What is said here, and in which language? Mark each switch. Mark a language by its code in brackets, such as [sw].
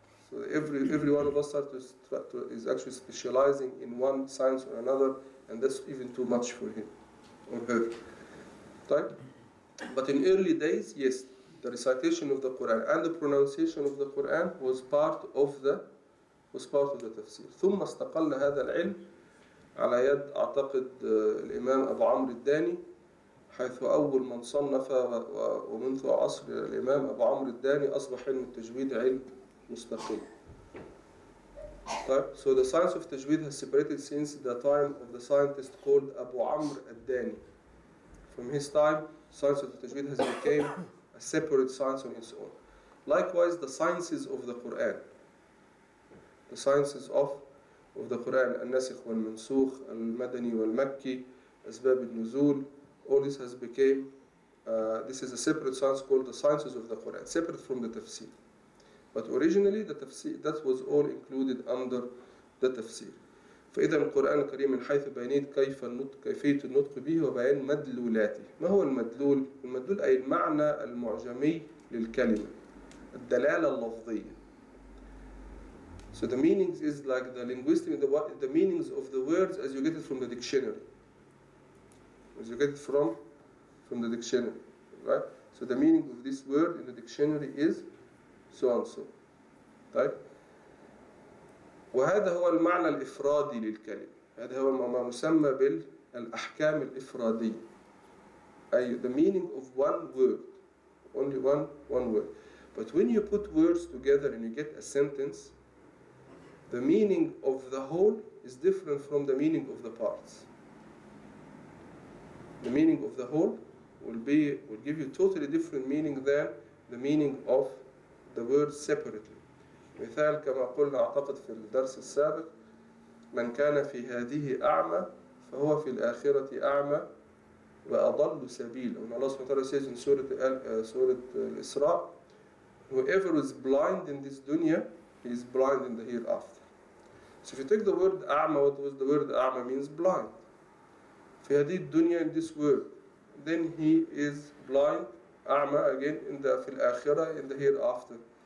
[en] So every one of us is actually specializing in one science or another, and that's even too much for him or her. Right? But in early days, yes, the recitation of the Quran and the pronunciation of the Quran was part of the tafsir. [ar] ثم استقل هذا العلم على يد أعتقد الإمام أبو عمرو الداني حيث أول من صنف ومنذ عصر الإمام أبو عمرو الداني أصبح علم التجويد علم مستقل. [en] طيب, so the science of تجويد has separated since the time of the scientist called أبو عمرو الداني. From his time, science of تجويد has become a separate science on its own. Likewise, the sciences of the Quran, the sciences of the Quran, النسخ والمنسوخ, المدني والمكي, أسباب النزول, all this has became, this is a separate science called the sciences of the Quran, separate from the tafsir. But originally, the tafsir, that was all included under the tafsir. [ar] فإذا القرآن الكريم من حيث بيانيت كيف النطق, كيفية النطق به وبيان مدلولاته. ما هو المدلول؟ المدلول أي المعنى المعجمي للكلمة, الدلالة اللفظية. [en] So the meanings is like the linguistic, the meanings of the words as you get it from the dictionary. As you get it from the dictionary, right? So the meaning of this word in the dictionary is so and so. [ar] طيب؟ وهذا هو المعنى الإفرادي للكلمة. هذا هو ما مسمى بالأحكام الإفرادية. [en] أي the meaning of one word. Only one word. But when you put words together and you get a sentence, the meaning of the whole is different from the meaning of the parts. The meaning of the whole will give you totally different meaning than the meaning of the word separately. [ar] مثال كما قلنا أعتقد في الدرس السابق من كان في هذه أعمى فهو في الآخرة أعمى وأضل سبيل. [en] When Allah SWT says in Surah Al-Isra, whoever is blind in this dunya, He is blind in the hereafter. So if you take the word a'ma, what was the word a'ma means? Blind. Fi hadith dunya, in this world, then he is blind, a'ma, again, in the fil akhirah, in the hereafter.